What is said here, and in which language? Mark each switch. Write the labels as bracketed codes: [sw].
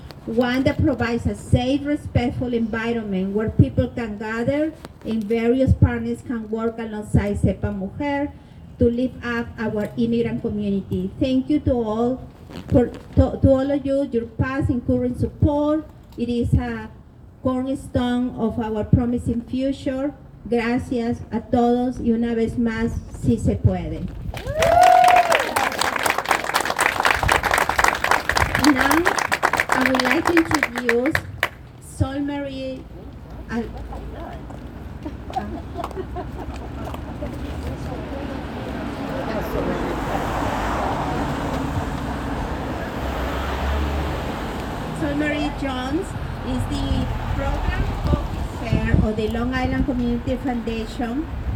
[en] One that provides a safe, respectful environment where people can gather and various partners can work alongside SEPA Mujer to lift up our immigrant community. Thank you to all to all of you, your past and current support. It is a cornerstone of our promising future. [es] Gracias a todos y una vez más, si se puede. [en] Now, I would like to introduce Sol Marie. Sol Marie Jones is the program officer of the Long Island Community Foundation.